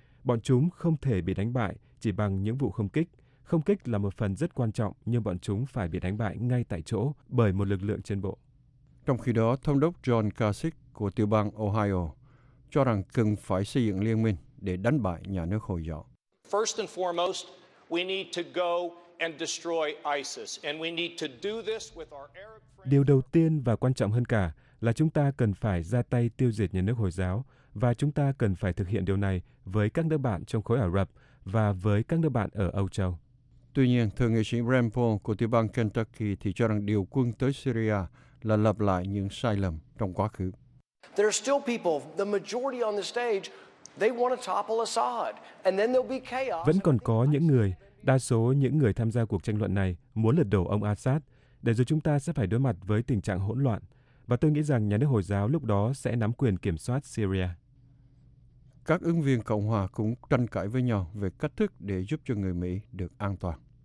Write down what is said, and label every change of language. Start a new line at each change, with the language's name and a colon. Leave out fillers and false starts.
Vietnamese: Bọn chúng không thể bị đánh bại chỉ bằng những vụ không kích. Không kích là một phần rất quan trọng, nhưng bọn chúng phải bị đánh bại ngay tại chỗ bởi một lực lượng trên bộ. Trong khi đó, Thống đốc John Kasich của tiểu bang Ohio cho rằng cần phải xây dựng liên minh để đánh bại nhà nước Hồi giáo.
English: First and foremost, we need to go and destroy ISIS, and we need to do this with our Arab friends.
Vietnamese: Điều đầu tiên và quan trọng hơn cả là chúng ta cần phải ra tay tiêu diệt nhà nước Hồi giáo, và chúng ta cần phải thực hiện điều này với các nước bạn trong khối Ả Rập và với các nước bạn ở Âu Châu. Tuy nhiên, Thượng nghị sĩ Rand Paul của tiểu bang Kentucky thì cho rằng điều quân tới Syria là lặp lại những sai lầm trong quá khứ.
English: There are still people, the majority on the stage, they want to topple Assad, and then there'll be chaos.
Vietnamese: Vẫn còn có những người, đa số những người tham gia cuộc tranh luận này muốn lật đổ ông Assad, để rồi chúng ta sẽ phải đối mặt với tình trạng hỗn loạn. Và tôi nghĩ rằng nhà nước Hồi giáo lúc đó sẽ nắm quyền kiểm soát Syria. Các ứng viên Cộng hòa cũng tranh cãi với nhau về cách thức để giúp cho người Mỹ được an toàn.